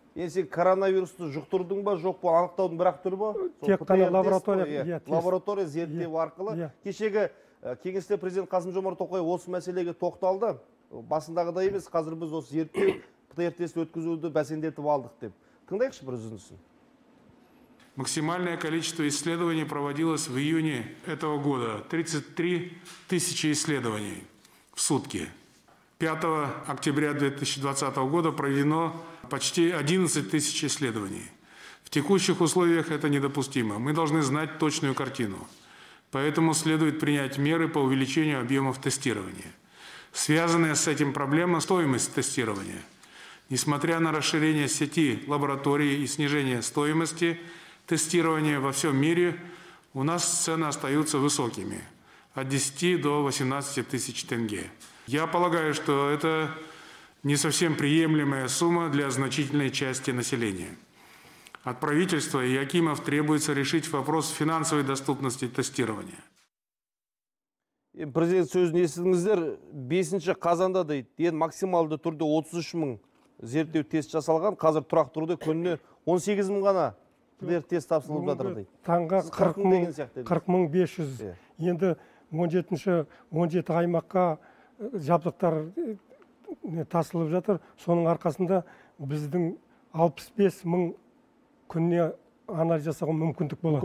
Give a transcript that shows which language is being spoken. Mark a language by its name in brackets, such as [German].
[Kazakh] Енді сен коронавирусты жұқтырдың ба, жоқ па, анықтаудың бір ақ түрі ба? Тек қана лаборатория. Лаборатория зерттеу арқылы. Кешегі кеңесте президент Қасым Жомарт Тоқаев осы мәселеге тоқталды. Басындағыдай емес, қазір біз осы зерттеу ПЦР тест өткізуді бәсеңдетіп алдық деп. Тыңдайықшы бір үзіндісін. [Russian] Максимальное количество исследований проводилось в июне этого года. 33 тысячи исследований в сутки. 5 октября 2020 года проведено почти 11 тысяч исследований. В текущих условиях это недопустимо. Мы должны знать точную картину. Поэтому следует принять меры по увеличению объемов тестирования. Связанная с этим проблема – стоимость тестирования. Несмотря на расширение сети лабораторий и снижение стоимости тестирования во всем мире, у нас цены остаются высокими – от 10 до 18 тысяч тенге. Я полагаю, что это не совсем приемлемая сумма для значительной части населения. От правительства и акимов требуется решить вопрос финансовой доступности тестирования. [Kazakh] Президент сөзін естідіңіздер, 5-ші қазанда дейді, ен максималды түрде 33 мың зерттеу тест жасалған, қазір тұрақ тұрды, көніне 18 мың ғана тест тапсырылып жатыр дейді. Таңға 40 мың 500, енді 17 аймаққа жабдықтар тасылып жатыр, соның арқасында біздің 65 мың күніне анализ жасауға мүмкіндік болады.